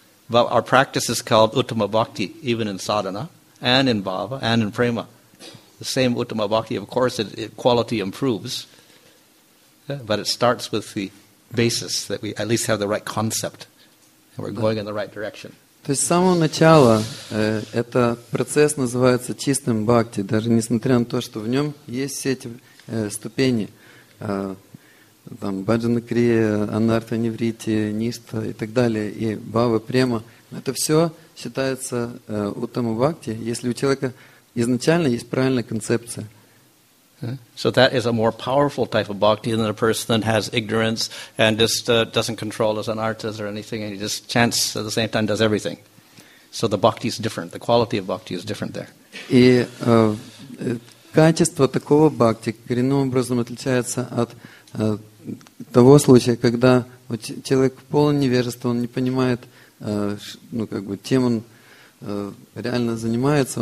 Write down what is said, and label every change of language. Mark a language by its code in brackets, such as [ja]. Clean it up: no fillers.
[en] But our practice is called uttama bhakti, even in sadhana, and in bhava, and in prema. The same uttama bhakti, of course, it quality improves. But it starts with the basis that we at least have the right concept, and we're going in the right direction. [ru] То есть с самого начала этот процесс называется чистым бхакти, даже несмотря на то, что в нем есть все эти ступени, там баджана крия, анартха невритти, ништа и так далее, и бхава према. Это все считается уттама бхакти, если у человека изначально есть правильная концепция. [en] So that is a more powerful type of bhakti than a person that has ignorance and just doesn't control his anarthas or anything, and he just chants at the same time, does everything. So the bhakti is different. The quality of bhakti is different there. [ru] И качество такого бхакти коренным образом отличается от того случая, когда человек полон невежества, он не понимает, ну как бы, чем он реально занимается.